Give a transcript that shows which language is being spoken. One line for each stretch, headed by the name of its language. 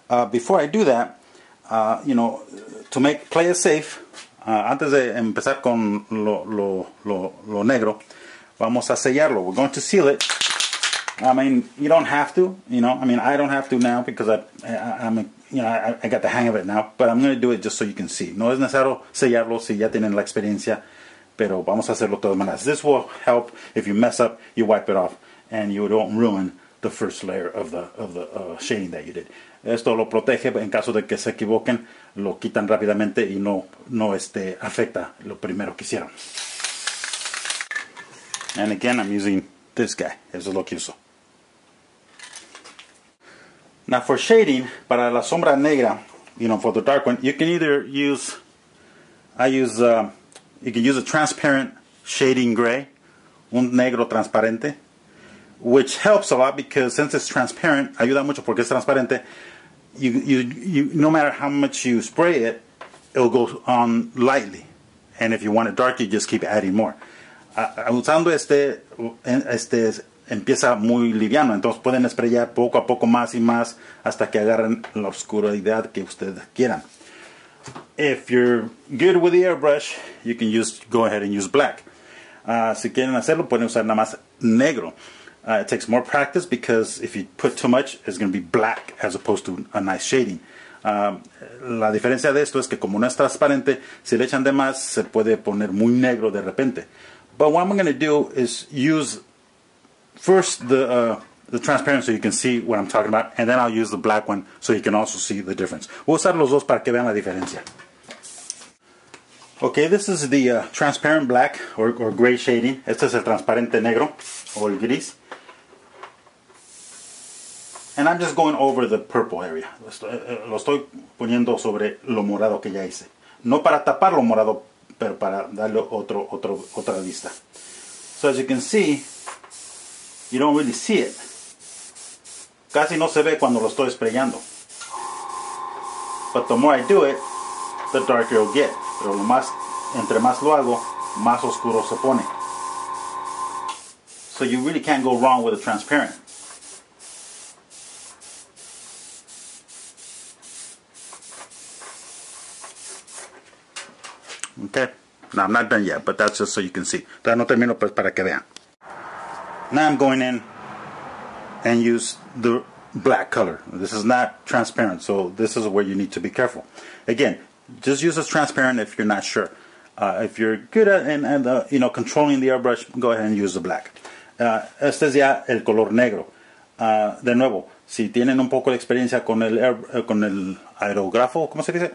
English: Before I do that, you know, to make play it safe,
Spanish: antes de empezar con lo negro, vamos a sellarlo.
English: We're going to seal it I mean, you don't have to, you know. I mean, I don't have to now because I got the hang of it now. But I'm going to do it just so you can see.
Spanish: No es necesario sellarlo si ya tienen la experiencia. Pero vamos a hacerlo todas maneras.
English: This will help if you mess up, you wipe it off, and you don't ruin the first layer of the shading that you did.
Spanish: Esto lo protege en caso de que se equivoquen, lo quitan rápidamente y no afecta lo primero que hicieron.
English: And again, I'm using this guy.
Spanish: Eso es lo que uso.
English: Now for shading,
Spanish: para la sombra negra,
English: you know, for the dark one, you can either use, you can use a transparent shading gray,
Spanish: un negro transparente,
English: which helps a lot because since it's transparent,
Spanish: ayuda mucho porque es transparente,
English: you no matter how much you spray it, it'll go on lightly. And if you want it dark, you just keep adding more.
Spanish: Usando este empieza muy liviano, entonces pueden sprayar poco a poco más y más hasta que agarren la oscuridad que ustedes quieran.
English: If you're good with the airbrush, you can just go ahead and use black.
Spanish: Si quieren hacerlo, pueden usar nada más negro.
English: It takes more practice because if you put too much, it's going to be black as opposed to a nice shading.
Spanish: La diferencia de esto es que como no es transparente, si le echan de más, se puede poner muy negro de repente.
English: But what I'm going to do is use first the transparent so you can see what I'm talking about, and then I'll use the black one so you can also see the difference. We'll
Spanish: usar los dos para que vean la diferencia.
English: Okay, this is the transparent black or gray shading.
Spanish: Este es el transparente negro o el gris.
English: And I'm just going over the purple area.
Spanish: Lo estoy poniendo sobre lo morado que ya hice. No para tapar lo morado, pero para darle otra vista.
English: So as you can see, you don't really see it.
Spanish: Casi no se ve cuando lo estoy sprayando.
English: But the more I do it, the darker it'll get.
Spanish: Pero lo más, entre más lo hago, más oscuro se pone.
English: So you really can't go wrong with a transparent. Okay. Now I'm not done yet, but that's just so you can see.
Spanish: No termino, pues, para que vean.
English: Now I'm going in and use the black color. This is not transparent, so this is where you need to be careful. Again, just use this transparent if you're not sure. If you're good at controlling the airbrush, go ahead and use the black.
Spanish: Este es ya el color negro. De nuevo, si tienen un poco de experiencia con el aerógrafo, ¿cómo se dice?